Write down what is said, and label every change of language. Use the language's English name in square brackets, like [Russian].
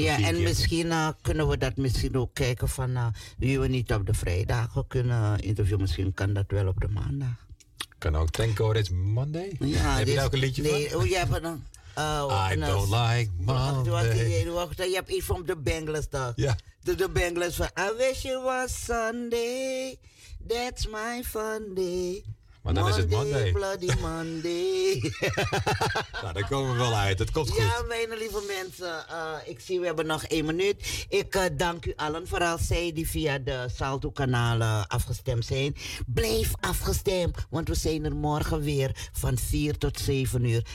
[Dutch] ja, en misschien kunnen we dat misschien ook kijken van wie we niet op de vrijdag kunnen interviewen. Misschien kan dat wel op de maandag. Kan ook. [English] Thank God it's Monday. [Dutch] Ja, heb je daar ook een liedje van? Nee, je hebt een... [English] I don't like Monday. [Dutch] Je hebt iets van de Bengals toch? Ja. De Bengals van [English] I wish it was Sunday. That's my fun day. [Dutch] Maar dan [English] Monday, [Dutch] is het Monday. [English] Bloody Monday. [Dutch] Nou, daar komen we wel uit. Het komt goed. Ja, mijn lieve mensen. Ik zie, we hebben nog 1 minuut. Ik dank u allen. Vooral zij die via de Salto-kanalen afgestemd zijn. Blijf afgestemd. Want we zijn er morgen weer van 4 tot 7 uur.